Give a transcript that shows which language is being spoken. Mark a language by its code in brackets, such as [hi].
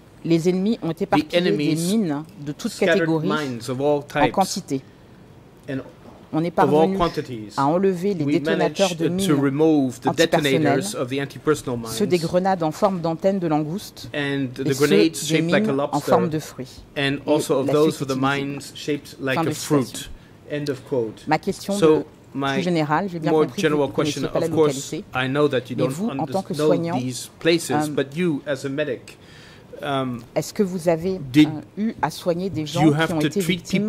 [fr] les ennemis ont éparpillé des mines de toutes catégories en quantité. On est parvenu à enlever les détonateurs de mines antipersonnelles, ceux des grenades en forme d'antenne de langoustes et ceux des mines [en] like [fr] en forme de fruits. [en] And also of those for the mines shaped like a fruit. End of quote. [fr] Ma question so, de plus générale, j'ai bien compris que vous ne connaissez pas la localité, [en] I know that you don't [fr] mais vous, en tant que soignant, est-ce que vous avez eu à soigner des gens qui ont été victimes